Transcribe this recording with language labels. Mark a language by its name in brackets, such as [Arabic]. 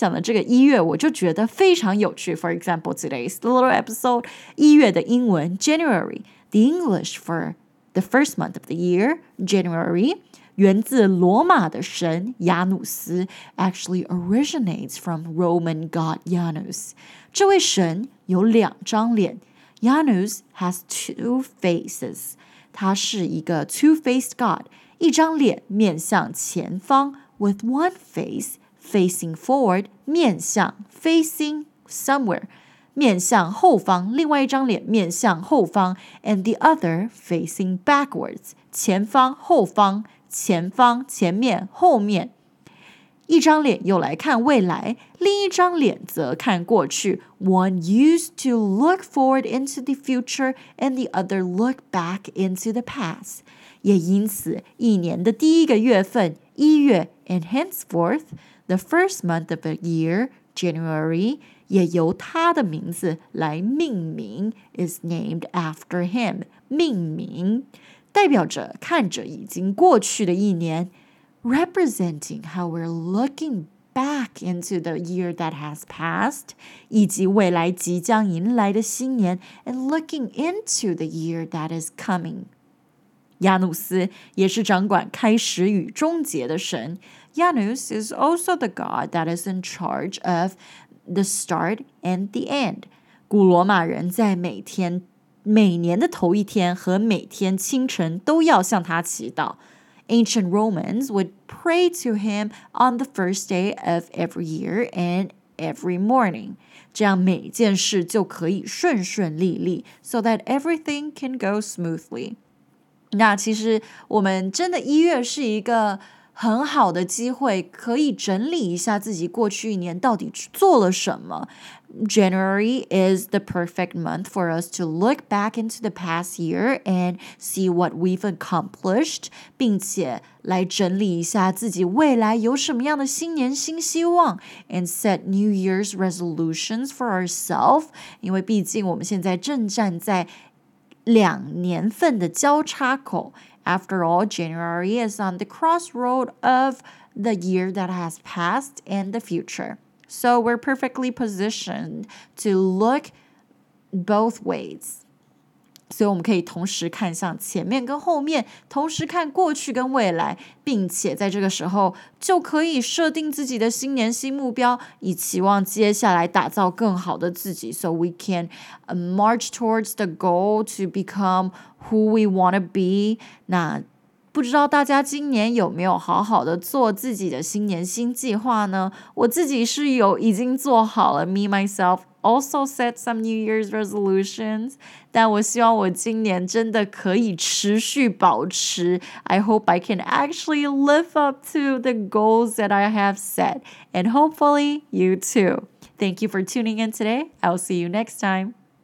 [Chinese] 但是知道一些命名的历史跟来源还是非常有意义的。比如今天要分享的这个一月，我就觉得非常有趣. [English] For example, today's little episode, [Chinese] 一月的英文, [English] January, the English for the first month of the year, January, [Chinese] 源自罗马的神雅努斯, [English] actually originates from Roman god Janus. [Chinese] 这位神有两张脸, [English] Janus has two faces. [Chinese] 他是一个 [English] two-faced god, [Chinese] 一张脸面向前方, [English] with one face facing forward, [Chinese] 面向, [English] facing somewhere. [Chinese] 面向后方，另外一张脸面向后方 [English] and the other facing backwards, [Chinese] 前方后方前方前面后面。一张脸又来看未来，另一张脸则看过去。 [English] One used to look forward into the future and the other look back into the past. [Chinese] 也因此，一年的第一个月份，一月 [English] and henceforth, the first month of the year, January, [Chinese] 也由他的名字来命名 [English] is named after him, [Chinese] 命名，代表着看着已经过去的一年。 [English] Representing how we're looking back into the year that has passed, [Chinese] 以及未来即将迎来的新年 [English] and looking into the year that is coming. [Chinese] 亚努斯也是掌管开始与终结的神。 [English] Janus is also the god that is in charge of the start and the end. [Chinese] 古罗马人在每年的头一天和每天清晨都要向他祈祷。 [English] Ancient Romans would pray to him on the first day of every year and every morning. [Chinese] 这样每件事就可以顺顺利利 [English] so that everything can go smoothly. [Chinese] 那其实我们真的一月是一个很好的机会可以整理一下自己过去一年到底做了什么。 [English] January is the perfect month for us to look back into the past year and see what we've accomplished, [Chinese] 并且来整理一下自己未来有什么样的新年新希望 [English] and set New Year's resolutions for ourselves, [Chinese] 因为毕竟我们现在正站在两年份的交叉口。 [English] After all, January is on the crossroad of the year that has passed and the future. So we're perfectly positioned to look both ways. [Chinese] 所以我们可以同时看向前面跟后面，同时看过去跟未来，并且在这个时候就可以设定自己的新年新目标，以期望接下来打造更好的自己。 [English] So we can march towards the goal to become who we want to be. [Chinese] 那不知道大家今年有没有好好的做自己的新年新计划呢？我自己是有已经做好了 [English] ，me myself also set some New Year's resolutions. [Chinese] 但我希望我今年真的可以持续保持。 [English] I hope I can actually live up to the goals that I have set, and hopefully you too. Thank you for tuning in today. I'll see you next time.